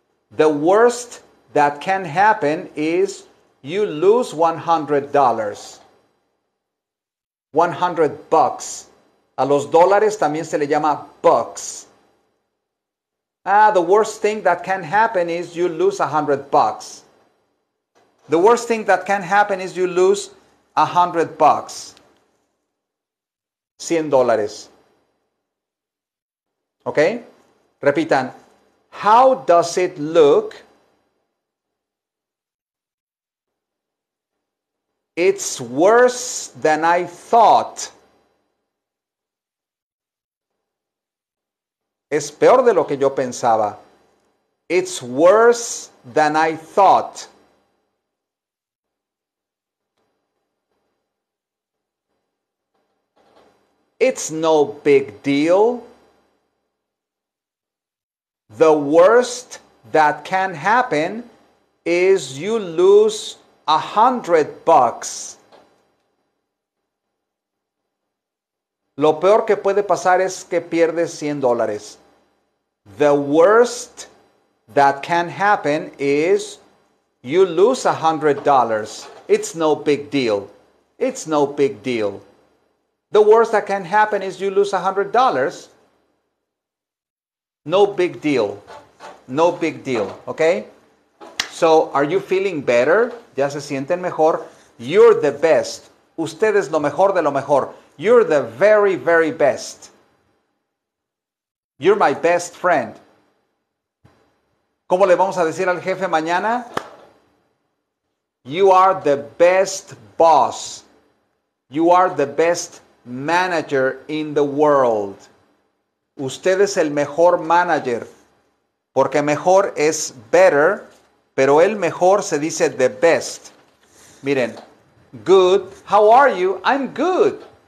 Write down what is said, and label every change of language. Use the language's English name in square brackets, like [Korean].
[English] The worst that can happen is you lose $100. $100. [Spanish] A los dólares también se le llama bucks. [English] Ah, the worst thing that can happen is you lose $100. The worst thing that can happen is you lose $100. $100. Okay? [Spanish] Repitan. [English] How does it look? It's worse than I thought. [Spanish] Es peor de lo que yo pensaba. [English] It's worse than I thought. It's no big deal. The worst that can happen is you lose $100. [Spanish] Lo peor que puede pasar es que pierdes $100. [English] The worst that can happen is you lose $100. It's no big deal. It's no big deal. The worst that can happen is you lose $100. No big deal. No big deal. Okay? So, are you feeling better? [Spanish] ¿Ya se sienten mejor? [English] You're the best. [Spanish] Usted es lo mejor de lo mejor. [English] You're the very, very best. You're my best friend. [Spanish] ¿Cómo le vamos a decir al jefe mañana? [English] You are the best boss. You are the best manager in the world. [Spanish] Usted es el mejor manager. Porque mejor es better, pero el mejor se dice the best. Miren, [English] good. How are you? I'm good.